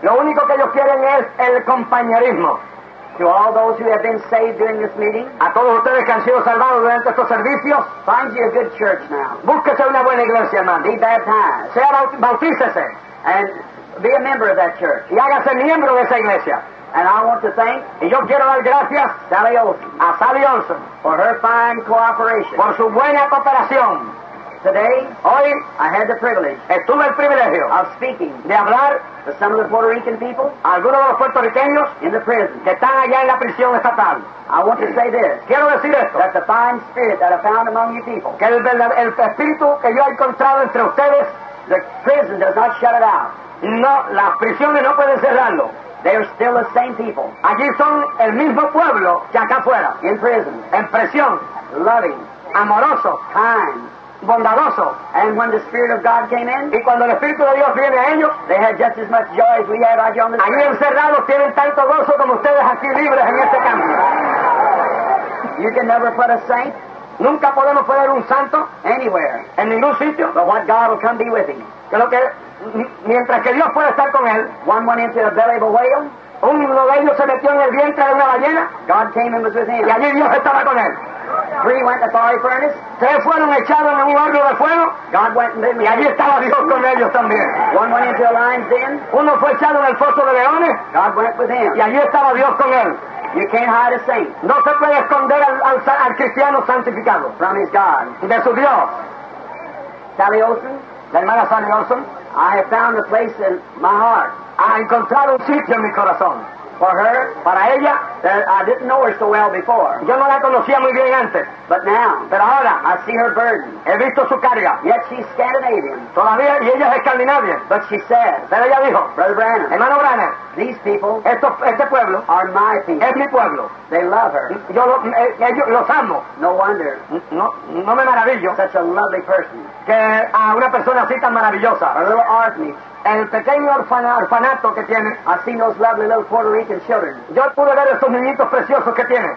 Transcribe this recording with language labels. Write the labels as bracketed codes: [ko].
[es] Lo único que ellos quieren es el compañerismo. To all those who have been saved during this meeting, a todos ustedes que han sido salvados durante estos servicios, find you a good church now. Búsquese una buena iglesia, hermano. [en] Be baptized. Sea bautícese. And be a member of that church. [es] Y hágase miembro de esa iglesia. [en] And I want to thank, y yo quiero dar gracias, Sally Olson, a Sally Olson, for her fine cooperation, por su buena cooperación. Today, hoy, I had the privilege, estuve el privilegio, of speaking, de hablar, to some of the Puerto Rican people, algunos de los puertorriqueños, in the prison, que están allá en la prisión estatal. I want to say this, quiero decir esto, that the fine spirit that I found among you people, que el espíritu que yo he encontrado entre ustedes, the prison does not shut it out. [es] No, las prisiones no pueden cerrarlo. [en] They are still the same people. [es] Allí son el mismo pueblo que acá afuera. [en] In prison. En prisión. Loving. Amoroso. Kind. Bondadoso. And when the Spirit of God came in, y cuando el Espíritu de Dios viene a ellos, they had just as much joy as we had out here on the street. [es] Allí encerrados tienen tanto gozo como ustedes aquí libres en este campo. You can never put a saint. Nunca podemos poner un santo. Anywhere. En ningún sitio. [en] But what God will come be with him. [es] Que lo que mientras que Dios pueda estar con él, one went into the belly of a whale, uno de ellos se metió en el vientre de una ballena, God came and was with him. Y allí Dios estaba con él. [en] Three went to the fiery furnace. [es] Tres fueron echados en un horno de fuego. [en] God went and did me. [es] Y allí estaba Dios con ellos también. [en] One went into a lion's den. [es] Uno fue echado en el foso de leones. [en] God went with him. [es] Y allí estaba Dios con él. [en] You can't hide a saint. [es] No se puede esconder al cristiano santificado. [en] From his God. [es] De su Dios. [en] Sally Olson. [es] La hermana Sally Olson. [en] I have found a place in my heart. [es] Ha encontrado un sitio en mi corazón. [en] For her, [es] para ella, [en] I didn't know her so well before. [es] Yo no la conocía muy bien antes. [en] But now, [es] pero ahora, [en] I see her burden. [es] He visto su carga. [en] Yet she's Scandinavian. [es] Todavía, y ella es escandinavia. [en] But she says, [es] pero ella dijo, [en] Brother Branham, [es] hermano Branham, [en] these people, [es] este pueblo, [en] are my people. [es] Es mi pueblo. [en] They love her. [es] Ellos los amo. [en] No wonder. [es] No me maravillo. [en] Such a lovely person. [es] Que a una persona así tan maravillosa. [en] A little orphanage. [es] El pequeño orfanato que tiene. [en] I see those lovely little Puerto Rican children. [es] Yo pude ver esos niñitos preciosos que tiene.